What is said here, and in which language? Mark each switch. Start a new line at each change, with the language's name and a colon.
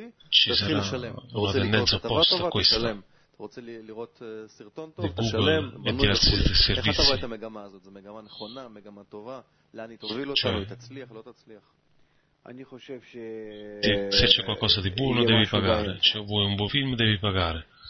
Italian: Ci sarà una tendenza opposta a questa.
Hebrew: רוצה לראות סרטון טוב, תשלם, איך אתה רואה את המגמה הזאת? זו מגמה נכונה, מגמה טובה, לאן היא תוביל אותה, היא תצליח, לא תצליח. אני חושב ש...
Italian: Se c'è qualcosa di buono devi pagare, se vuoi un buon film devi pagare.